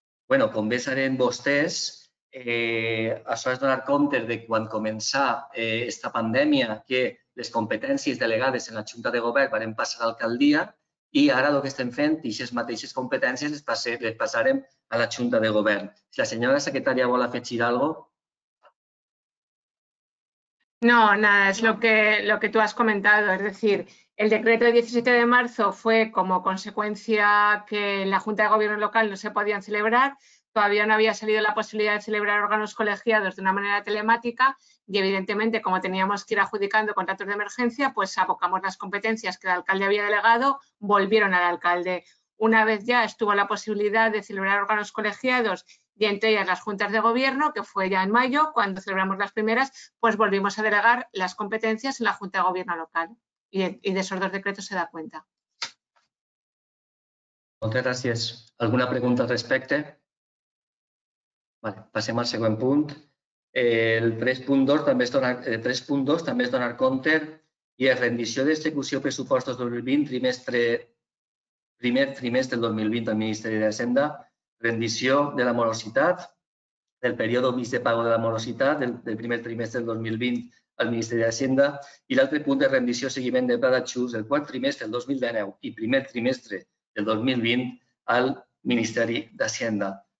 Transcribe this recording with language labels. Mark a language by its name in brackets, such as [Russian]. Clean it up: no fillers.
[Catalan] Bé, com bé sabem vostès, això és donar compte de quan començà aquesta pandèmia que les competències delegades en la Junta de Govern van passar a l'alcaldia i ara el que estem fent, aquestes mateixes competències, les passarem a la Junta de Govern. Si la senyora secretària vol afegir alguna cosa? [Spanish] No, nada, [Catalan] és el que tu has comentat, és a dir, [Spanish] el decreto del 17 de marzo fue como consecuencia que en la Junta de Gobierno Local no se podían celebrar, todavía no había salido la posibilidad de celebrar órganos colegiados de una manera telemática y, evidentemente, como teníamos que ir adjudicando contratos de emergencia, pues abocamos las competencias que el alcalde había delegado, volvieron al alcalde. Una vez ya estuvo la posibilidad de celebrar órganos colegiados y entre ellas las juntas de gobierno, que fue ya en mayo, cuando celebramos las primeras, pues volvimos a delegar las competencias en la junta de gobierno local. Y de esos dos decretos se da cuenta. Muchas gracias. ¿Alguna pregunta al respecto? [Catalan] Vale, passem al següent punt. El 3.2 també és donar, 3.2 també és donar compte i és rendició d'execució pressupostos 2020, primer trimestre del 2020 al Ministeri d'Hisenda, rendició de la morositat, del període mig de pago de la morositat del primer trimestre del 2020 al Ministeri d'Hisenda i l'altre punt de rendició seguiment de pla d'ajust del quart trimestre del 2019 i primer trimestre del 2020 al Ministeri d'Hisenda.